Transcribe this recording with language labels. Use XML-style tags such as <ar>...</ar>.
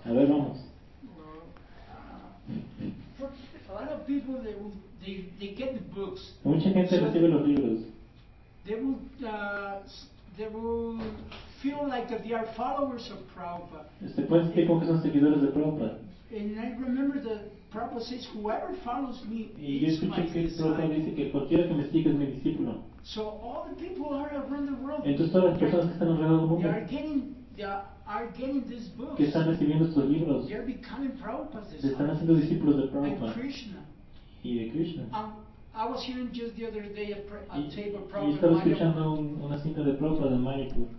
<en>For a lot of people, they get the books.</en> <es>Mucha gente recibe los libros.</es> <en>They will feel like that they are followers of Prabhupada.</en> <es>Se pueden sentir como que son seguidores de Prabhupada.</es> <en>And I remember the Prabhupada says, whoever follows me is my disciple.</en> <es>Y yo escuché que dice que cualquiera que me siga es mi discípulo.</es> <en>So all the people are around the world.</en> <es>Entonces todas las personas que están alrededor del mundo.</es> <en>They are getting these books.</en> <es>Que están recibiendo estos libros.</es> <en>They are becoming Prabhupada's disciples.</en> <es>Están haciendo discípulos de Prabhupada.</es> <en>And Krishna.</en> <es>Y de Krishna.</es> <en>I was hearing just the other day a tape of Prabhupada.</en> <es>Y estaba escuchando una cinta de Prabhupada en Manipur.</es>